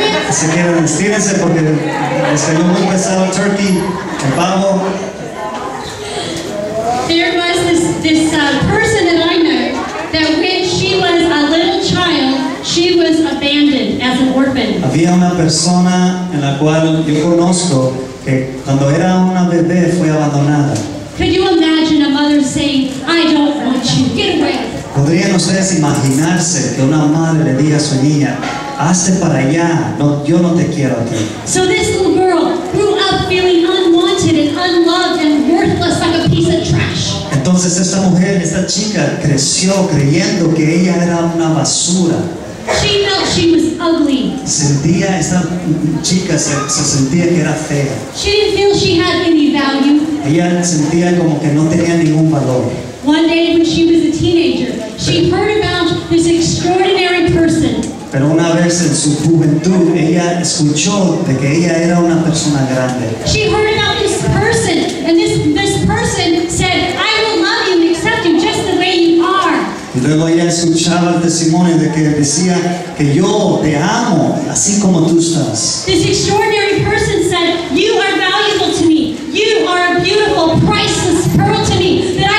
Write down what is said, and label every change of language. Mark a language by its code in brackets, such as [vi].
[es] Si quieren, estírense porque les quedó muy pesado el turkey, el pavo. [en] There was this person that I know that when she was a little child, she was abandoned as an orphan. [es] Había una persona en la cual yo conozco que cuando era una bebé fue abandonada. [en] Could you imagine a mother saying, I don't want you, get away? [es] ¿Podrían ustedes imaginarse que una madre le diga a su niña, hazte para allá, no, yo no te quiero a ti? [en] So this little girl grew up feeling unwanted and unloved and worthless like a piece of trash. [es] Entonces esta mujer, esta chica, creció creyendo que ella era una basura. [en] She felt she was ugly. [es] Sentía, esta chica se sentía que era fea. [en] She didn't feel she had any value. [es] Ella sentía como que no tenía ningún valor. [en] One day when she was a teenager, she heard about this extraordinary person. [es] Pero una vez en su juventud, ella escuchó de que ella era una persona grande. [en] She heard about this person, and this person said, I will love you and accept you just the way you are. [es] Y luego ella escuchaba el testimonio de que decía que yo te amo así como tú estás. [en] This extraordinary person said, you are valuable to me. You are a beautiful, priceless pearl to me.